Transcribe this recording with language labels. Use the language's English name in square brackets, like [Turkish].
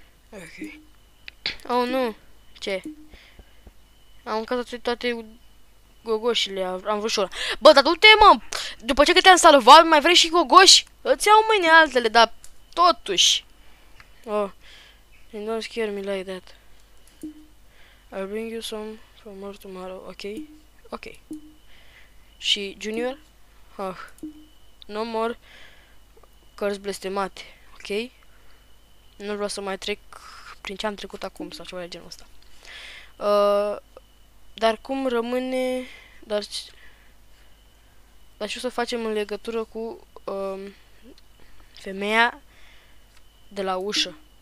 [Romanian] Ok. Oh, nu. Ce? Am încălzat toate gogoșile. Am vrut și ora. Bă, dar du-te, mă! După ce că te-am salvat, mai vrei și gogoși? Îți iau mâine altele, dar totuși. [English] Oh. And don't scare me like that. I'll bring you some for more tomorrow, ok? [Romanian] Ok. Și Junior? Oh. [English] No more [Romanian] cărți blestemate, [English] ok? [Romanian] Nu vreau să mai trec prin ce am trecut acum sau ceva de genul ăsta. Dar cum rămâne... Dar ce o să facem în legătură cu femeia de la ușă?